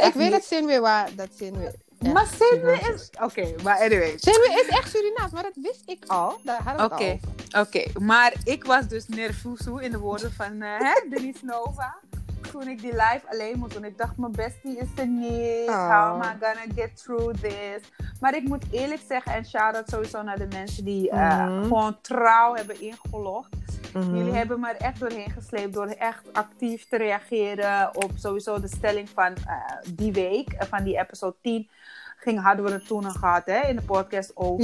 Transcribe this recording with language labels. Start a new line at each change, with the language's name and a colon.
Dutch: ik weet het zenuwen waar dat zenuwen... Ja, maar Zenuwe is... Oké, okay, maar anyway. Zenuwe is echt Surinaams, maar dat wist ik al. Daar hadden we okay, het al. Oké, okay. Maar ik was dus nervoso in de woorden van Denise Nova. Toen ik die live alleen moest doen. Ik dacht, mijn bestie is er niet. Oh.
English: How am I gonna get through this?
Dutch: Maar ik moet eerlijk zeggen en shout-out sowieso naar de mensen die gewoon trouw hebben ingelogd. Mm-hmm. Jullie hebben me er echt doorheen gesleept door echt actief te reageren op sowieso de stelling van die week, van die episode 10. Hadden we het toen al gehad, hè, in de podcast over...